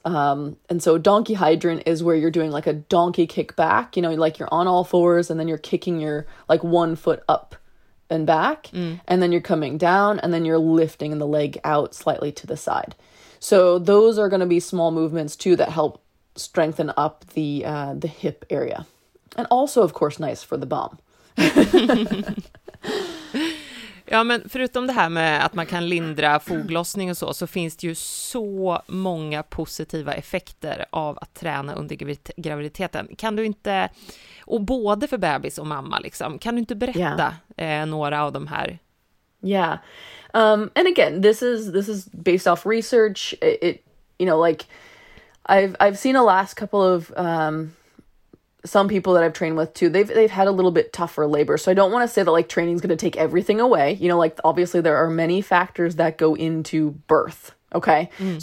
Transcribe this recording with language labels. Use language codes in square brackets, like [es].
[en] And so a donkey hydrant is where you're doing like a donkey kick back, you know, like you're on all fours and then you're kicking your like 1 foot up and back and then you're coming down and then you're lifting the leg out slightly to the side. So those are going to be small movements too that help strengthen up the hip area. And also, of course, nice for the bum. [sv] Ja, men förutom det här med att man kan lindra foglossning och så finns det ju så många positiva effekter av att träna under graviditeten. Kan du inte, och både för bebis och mamma, liksom, kan du inte berätta några av de här? [en] Yeah. And again, this is based off research. It you know, like I've seen a last couple of some people that I've trained with too. They've had a little bit tougher labor. So I don't want to say that like training is going to take everything away. You know, like obviously there are many factors that go into birth, okay? Mm.